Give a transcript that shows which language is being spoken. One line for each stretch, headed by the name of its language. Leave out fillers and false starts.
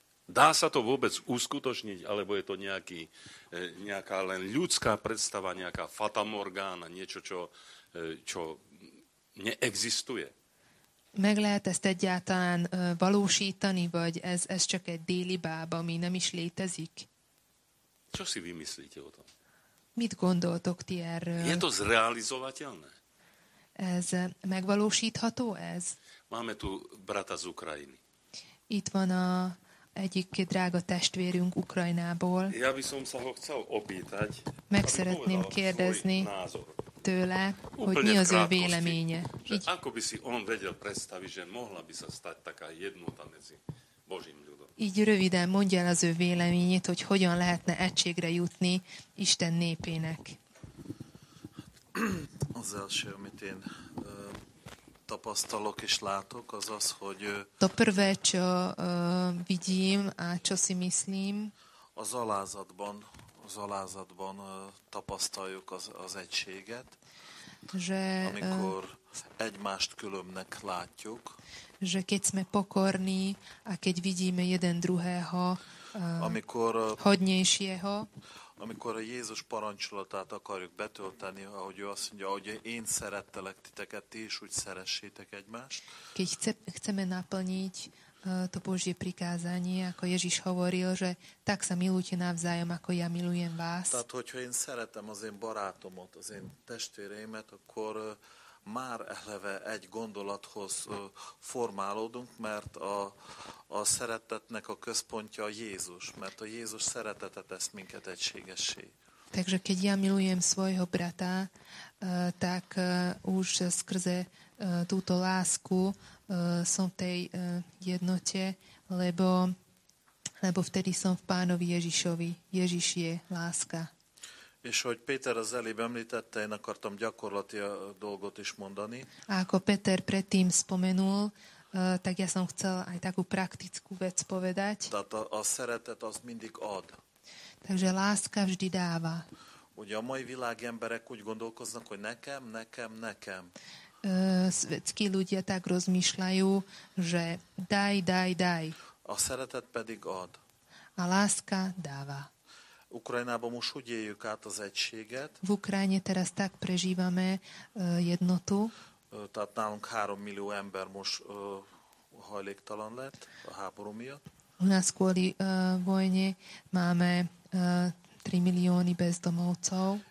Slovak: Dá sa to vôbec uskutočniť, alebo je to nejaká len ľudská predstava, nejaká fatamorgána, niečo, čo neexistuje?
Hungarian: Meg lehet ezt egyáltalán valósítani, vagy ez csak egy déli báb, ami nem is létezik?
Slovak: Čo si vymyslíte o tom?
Hungarian: Mit gondoltok ti erről?
Slovak: Je to zrealizovateľné?
Hungarian: Ez megvalósítható ez?
Slovak: Máme tu brata z Ukrajiny.
Hungarian: Itt van a egyik drága testvérünk Ukrajnából.
Slovak: Ja by som sa ho chcel opýtať.
Hungarian: Meg szeretném kérdezni tőle, hogy mi az ő véleménye.
Slovak: Ako by si on vedel predstaviť, že mohla by sa stať taká jednota medzi Božím ľudom.
Hungarian: Így röviden mondja el az ő véleményét, hogy hogyan lehetne egységre jutni Isten népének. Az első, amit én tapasztalok és látok, az az, hogy
Slovak: to prvé, čo vidím a čo si myslím,
Hungarian: az alázatban tapasztaljuk az egységet,
Slovak: že,
Hungarian: amikor egymást különbnek látjuk,
Slovak: že keď sme pokorní a keď vidíme jeden druhého,
Hungarian: amikor
Slovak: hodnejšieho,
Hungarian: amikor a Jézus parancsolatát akarjuk betölteni, ahogy ő azt mondja, hogy én szerettelek titeket, ti is úgy szeressétek egymást.
Slovak: Keď chceme naplniť to Božie prikázanie, ako Ježiš hovoril, že tak sa milujte navzájom, ako ja milujem vás.
Hungarian: Tehát, hogyha én szeretem az én barátomot, az én testvéreimet, akkor már eleve egy gondolathoz formálódunk, mert a szeretetnek a központja a Jézus, mert a Jézus szeretete tesz minket egységessé.
Slovak: Takže keď ja milujem svojho brata, tak už skrze túto lásku som v tej jednote, lebo vtedy som v Pánovi Ježišovi. Ježiš je láska.
Hungarian: És hogy Péter az előbb említette, én akartam gyakorlati dolgot is mondani.
Slovak: Ako Peter predtým spomenul, tak ja som chcel aj takú praktickú vec povedať.
Hungarian: Tehát a szeretet az mindig ad.
Slovak: Takže láska vždy dáva.
Hungarian: Ugye a mai világi emberek úgy gondolkoznak, hogy nekem, nekem, nekem.
Slovak: Svetskí ľudia tak rozmýšľajú, že daj, daj, daj.
Hungarian: A szeretet pedig ad.
Slovak: A láska dáva.
Hungarian: Ukrajnában most úgy éljük át az egységet.
Slovak: V Ukrajine teraz tak prežívame jednotu.
Hungarian: Tehát nálunk 3 millió ember most hajléktalan lett a háború miatt.
Slovak: U nás kvôli vojne máme 3 millióny bezdomovcov.